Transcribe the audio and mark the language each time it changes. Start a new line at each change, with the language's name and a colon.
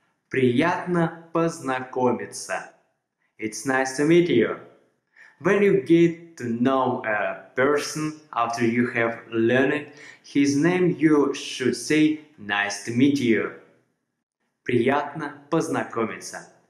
Russian: Приятно познакомиться.
English: It's nice to meet you. When you get to know a person after you have learned his name, you should say nice to meet you.
Russian: Приятно познакомиться.